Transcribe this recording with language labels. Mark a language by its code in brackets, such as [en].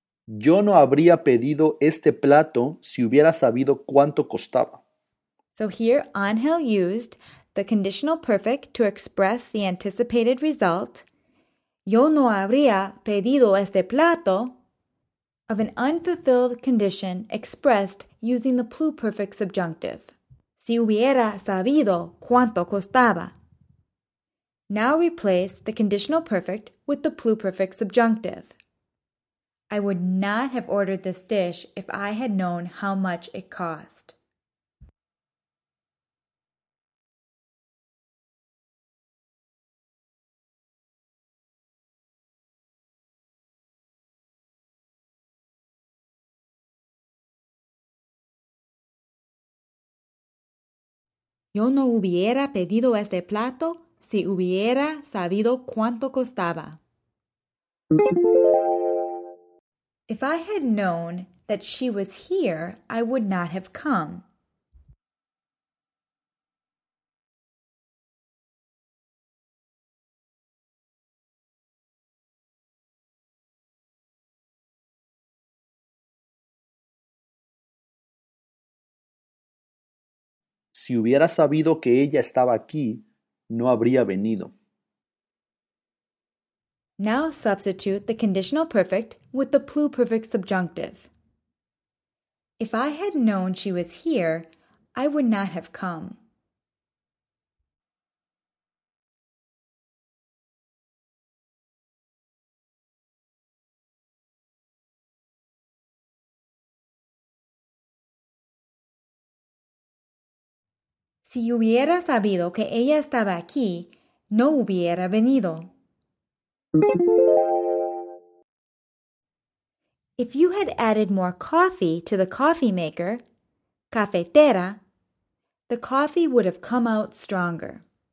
[es] Yo no habría pedido este plato si hubiera sabido cuánto costaba. [en] So here, Angel used the conditional perfect to express the anticipated result. [es] Yo no habría pedido este plato [en] of an unfulfilled condition expressed using the pluperfect subjunctive. [es] Si hubiera sabido cuánto costaba. [en] Now replace the conditional perfect with the pluperfect subjunctive. I would not have ordered this dish if I had known how much it cost. [es] Yo no hubiera pedido este plato si hubiera sabido cuánto costaba. [en] If I had known that she was here, I would not have come. [es] Si hubiera sabido que ella estaba aquí, no habría venido. [en] Now substitute the conditional perfect with the pluperfect subjunctive. If I had known she was here, I would not have come. [es] Si hubiera sabido que ella estaba aquí, no hubiera venido. [en] If you had added more coffee to the coffee maker, cafetera, the coffee would have come out stronger.